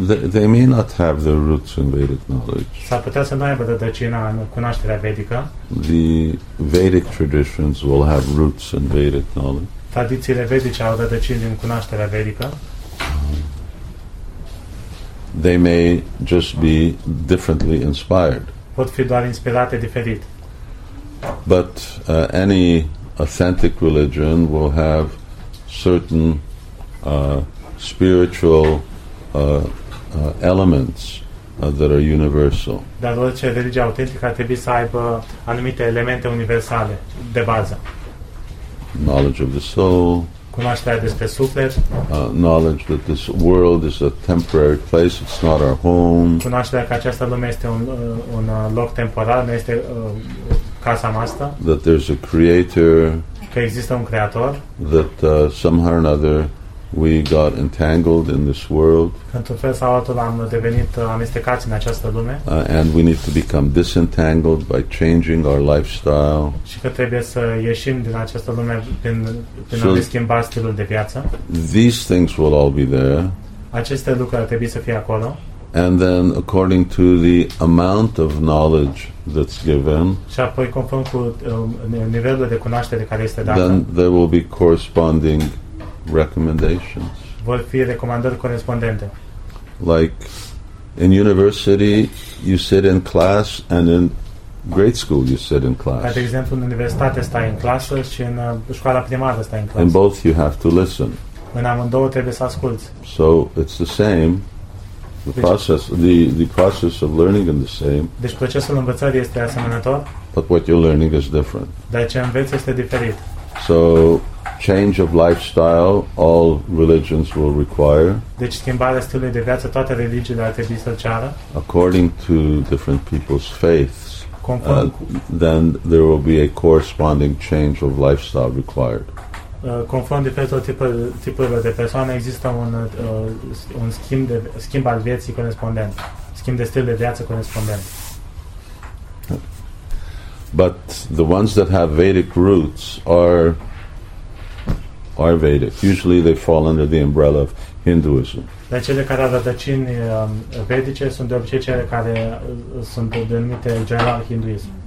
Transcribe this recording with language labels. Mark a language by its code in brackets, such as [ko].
[en] They may not have their roots in Vedic knowledge. [ro] S-ar putea să nu aibă rădăcina în cunoașterea vedică. [en] The Vedic traditions will have roots in Vedic knowledge. [ro] Tradițiile vedice au rădăcini în cunoașterea vedică. [en] They may just be differently inspired. [ro] Pot fi doar inspirate diferit. [en] But any authentic religion will have certain spiritual elements that are universal. [ro] Dar orice religie autentică ar trebui să aibă anumite elemente universale de bază. [en] Knowledge of the soul. [ro] Cunoașterea despre suflet. [en] Knowledge that this world is a temporary place, it's not our home. [ro] Cunoașterea că această lume este un loc temporar, nu este casa noastră. [en] That there's a creator. [ro] Că există un creator. [en] That somehow or another we got entangled in this world. [ro] Într-un fel sau altul am devenit amestecați în această lume. [en] And we need to become disentangled by changing our lifestyle. [ro] Și că trebuie să ieșim din această lume prin a ne schimba stilul de viață. [en] These things will all be there. [ro] Aceste lucruri ar trebui să fie acolo. [en] And then according to the amount of knowledge that's given, [ro] și apoi conform cu nivelul de cunoaștere care este dat, [en] then there will be corresponding recommendations. [ro] Vor fi recomandări corespondente. [en] Like in university you sit in class and in grade school you sit in class. [ro] De exemplu, în universitate stai în clasă și în școala primară stai în clasă. [en] In both you have to listen. [ro] În amândouă trebuie să asculți. [en] So it's the same. The process of learning is the same. [ro] Deci procesul învățării este asemănător. [en] But what you're learning is different. [ro] Dar ce înveți este diferit. [en] So change of lifestyle all religions will require. [ro] Deci schimbarea stilului de viață toate religiile ar trebui să ceară. [en] According to different people's faiths. Then there will be a corresponding change of lifestyle required. [ro] Conform diferitor tipurilor de persoane există un schimb al vieții corespondent, schimb de stil de viață corespondent. [en] But the ones that have Vedic roots are Vedic. Usually they fall under the umbrella of Hinduism. [ro] Dar cele care au rădăcini vedice sunt de obicei cele care sunt denumite general hinduism.